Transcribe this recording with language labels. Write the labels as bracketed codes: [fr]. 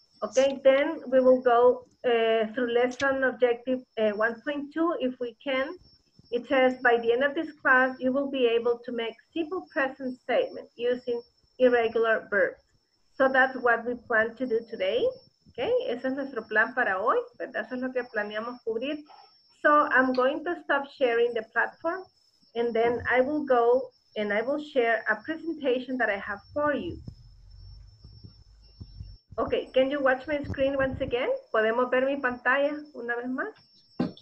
[en] Okay, then we will go through lesson objective 1.2 if we can. It says, by the end of this class, you will be able to make simple present statement using irregular verbs. So that's what we plan to do today. [es] Okay, ese es nuestro plan para hoy, ¿verdad? Eso es lo que planeamos cubrir. [en] So I'm going to stop sharing the platform and then I will go and I will share a presentation that I have for you. Okay, can you watch my screen once again? [es] ¿Podemos ver mi pantalla una vez más?